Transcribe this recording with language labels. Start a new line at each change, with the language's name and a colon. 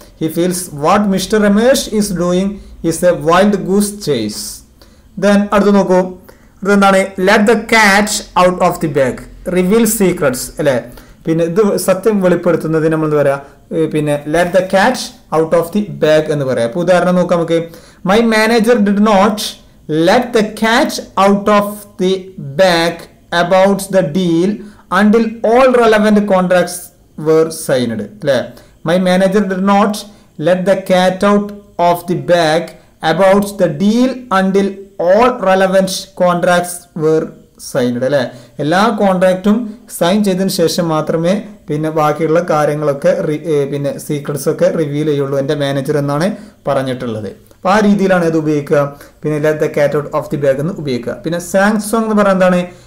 English: He feels what mister Ramesh is doing is a wild goose chase. Then
Malayalam: അടുത്ത് നോക്കൂ. അതെന്താണ്?
English: Let the cat out of the bag, reveal secrets, അല്ലേ.
Malayalam: പിന്നെ ഇത് സത്യം വെളിപ്പെടുത്തുന്നതിന് നമ്മൾ എന്ത് പറയാ, പിന്നെ
English: let the cat out of the bag
Malayalam: എന്ന് പറയാം. അപ്പൊ ഉദാഹരണം നോക്കാം നമുക്ക്.
English: My manager did not let the cat out of the bag about the deal until all relevant contracts were signed. Le? My manager did not let the cat out of the bag about the deal until all relevant contracts were signed. Le?
Malayalam: എല്ലാ കോൺട്രാക്റ്റും sign ചെയ്തതിന് ശേഷം മാത്രമേ പിന്നെ ബാക്കിയുള്ള കാര്യങ്ങളൊക്കെ പിന്നെ secrets ഒക്കെ reveal ചെയ്യുള്ളൂ എൻ്റെ മാനേജർ എന്നാണ് പറഞ്ഞിട്ടുള്ളത്. അപ്പോൾ ആ രീതിയിലാണ് ഇത് ഉപയോഗിക്കുക. പിന്നെ
English: let the cat out of the bag
Malayalam: എന്ന് ഉപയോഗിക്കുക. പിന്നെ സാങ്സോങ് എന്ന് പറയുന്നത് എന്താണ്?